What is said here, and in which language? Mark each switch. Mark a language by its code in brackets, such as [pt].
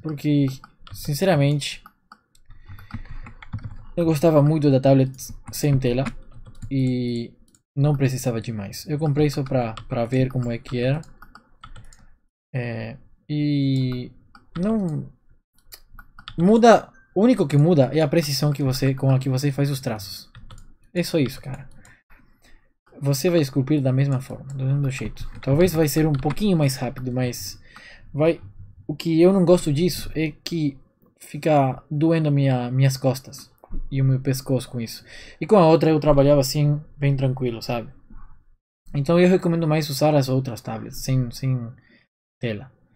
[es] Porque, sinceramente, me gustaba mucho la tablet sin tela y no precisaba de más. Yo compré eso para ver cómo es que era. Y no muda. Lo único que muda es la precisión que você, con la que vos haces los trazos. Eso es, cara. Você va a esculpir de la misma forma, [pt] do mesmo jeito. [es] Tal vez va a ser un poquito más rápido, [pt] mas vai. O que eu não gosto disso é que fica doendo minhas costas e o meu pescoço com isso. E com a outra eu trabalhava assim, bem tranquilo, sabe? Então eu recomendo mais usar as outras tablets, sem tela.